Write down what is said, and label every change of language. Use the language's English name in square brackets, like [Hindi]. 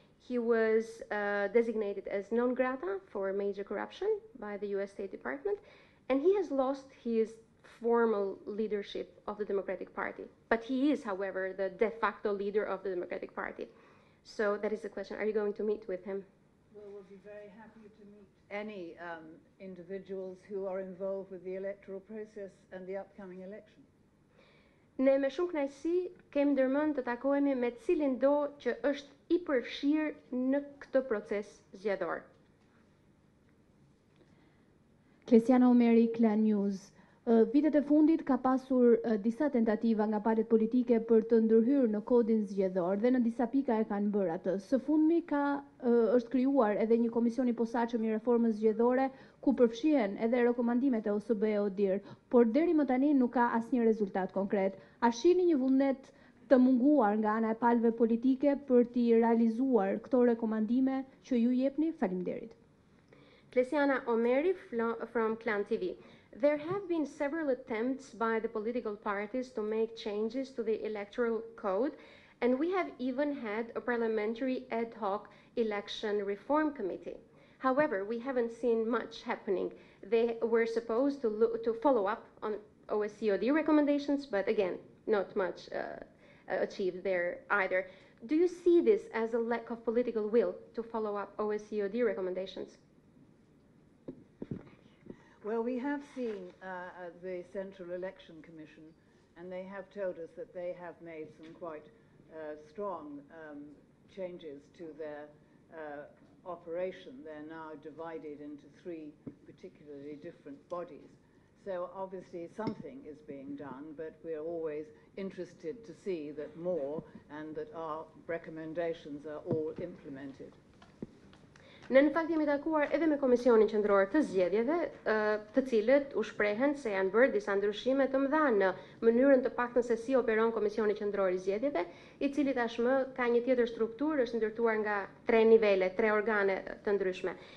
[English] He was designated as non grata for major corruption by the US State Department, and he has lost his formal leadership of the Democratic Party. But he is, however, the de facto leader of the Democratic Party. So that is the question. Are you going to meet with him? Well, we'll be very happy to meet any individuals who are involved with the electoral process and the upcoming election. [Albanian] Ne me shumë knajsi kemi ndërmend të takohemi me cilin do që është i përfshirë në këtë proces zgjedhor. Klesiana Omeri, Klan News. Vitet e fundit ka pasur disa tentativa nga palët politike për të ndërhyrë në kodin zgjedhor dhe në disa pika e kanë bërë atë. Së fundmi ka është krijuar edhe një komisioni posaçëm i reformës zgjedhore ku përfshihen edhe rekomandimet e OSBE-ODIHR, por deri më tani nuk ka asnjë rezultat konkret. A shihni një vullnet të munguar nga ana e palëve politike për të realizuar këto rekomandime që ju jepni? Faleminderit. [English] Klesiana Omeri from Clan TV. There have been several attempts by the political parties to make changes to the electoral code, and we have even had a parliamentary ad hoc election reform committee. However, we haven't seen much happening. They were supposed to follow up on OSCOD recommendations, but again, not much achieved there either. Do you see this as a lack of political will to follow up OSCOD recommendations? Well, we have seen the Central Election Commission, and they have told us that they have made some quite strong changes to their operation. They're now divided into three particularly different bodies. So obviously something is being done, but we're always interested to see that more and that our recommendations are all implemented. [Albanian] Ne në fakt jemi takuar edhe me Komisionin Qendror të Zgjedhjeve, të cilët u shprehen se janë bërë disa ndryshime të mëdha në mënyrën të paktën se si operon Komisioni Qendror i Zgjedhjeve, i cili tashmë ka një tjetër strukturë, është ndërtuar nga tre nivele, tre organe të ndryshme.